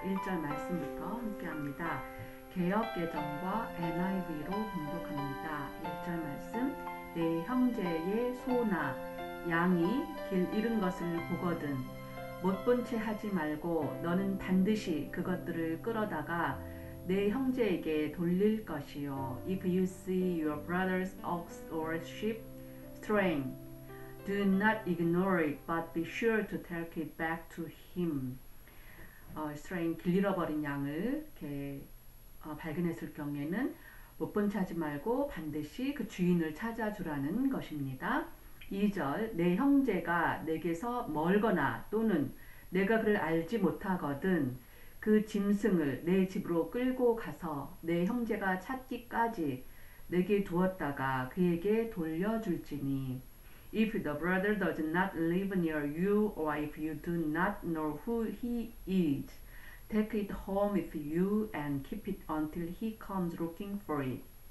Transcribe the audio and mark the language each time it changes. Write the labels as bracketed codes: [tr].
[ko] 1절 말씀부터 함께합니다. 개역개정과 NIV로 공독합니다. 1절 말씀. 내 형제의 소나 양이 길 잃은 것을 보거든 못 본 채 하지 말고 너는 반드시 그것들을 끌어다가 내 형제에게 돌릴 것이요. [en] If you see your brother's ox or sheep straying, do not ignore it, but be sure to take it back to him. [ko] Straying, 길 잃어버린 양을 이렇게 발견했을 경우에는 못 본 채 하지 말고 반드시 그 주인을 찾아주라는 것입니다. 2절, 내 형제가 내게서 멀거나 또는 내가 그를 알지 못하거든 그 짐승을 내 집으로 끌고 가서 내 형제가 찾기까지 내게 두었다가 그에게 돌려줄지니 [en] If the brother does not live near you, or if you do not know who he is, take it home with you and keep it until he comes looking for it.